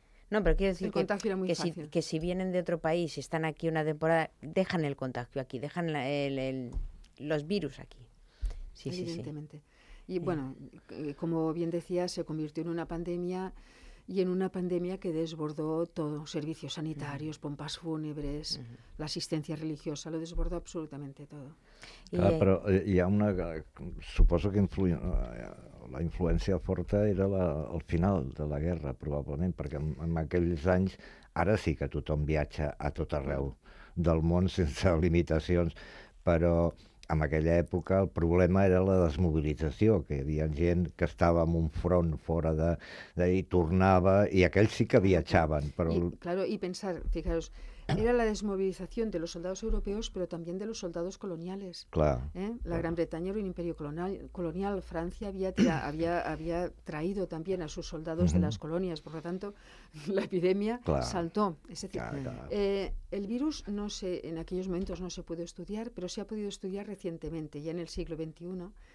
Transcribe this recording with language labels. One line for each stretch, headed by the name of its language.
Spanish: No, pero quiero decir que si vienen de otro país y están aquí una temporada, dejan el contagio aquí, dejan los virus aquí. Sí, evidentemente. Y bueno, como bien decía, se convirtió en una pandemia y en una pandemia que desbordó todo, servicios sanitarios, pompas fúnebres, la asistencia religiosa, lo desbordó absolutamente todo.
Catalan: Clar, però hi ha una... Suposo que la influència forta era el final de la guerra, probablement, perquè en aquells anys ara sí que tothom viatja a tot arreu del món sense limitacions, però en aquella època el problema era la desmobilització, que hi havia gent que estava en un front fora de i tornava, i aquells sí que viatjaven. Però...
Spanish: I, claro, y pensar, fijaros, era la desmovilización de los soldados europeos, pero también de los soldados coloniales. Claro. ¿Eh? La claro. Gran Bretaña era un imperio colonial. Francia había traído también a sus soldados de las colonias. Por lo tanto, la epidemia saltó. Es decir, el virus no se, en aquellos momentos no se pudo estudiar, pero se ha podido estudiar recientemente, ya en el siglo XXI.